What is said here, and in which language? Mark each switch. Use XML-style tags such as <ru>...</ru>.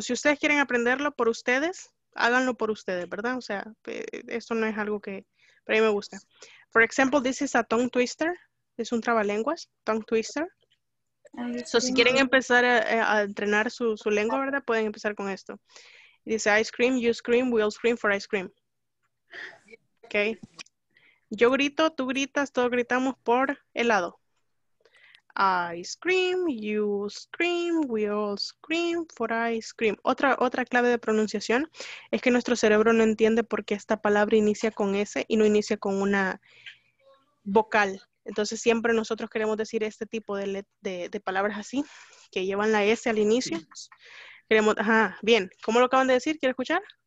<es>Si ustedes quieren aprenderlo por ustedes, háganlo por ustedes, ¿verdad? O sea, esto no es algo que... Pero a mí me gusta.</es> <en>For example, this is a tongue twister.</en> <es>Es un trabalenguas. Tongue twister. So, si quieren empezar a entrenar su lengua, ¿verdad? Pueden empezar con esto.</es> <en>Dice, ice cream, you scream, we'll scream for ice cream. ¿Ok?</en> <es>Yo grito, tú gritas, todos gritamos por helado.</es> <en>Ice cream, you scream, we all scream for ice cream.</en> <es>Otra clave de pronunciación es que nuestro cerebro no entiende por qué esta palabra inicia con S y no inicia con una vocal. Entonces siempre nosotros queremos decir este tipo de palabras así, que llevan la S al inicio. Queremos, bien, ¿cómo lo acaban de decir? ¿Quieres escuchar?</es>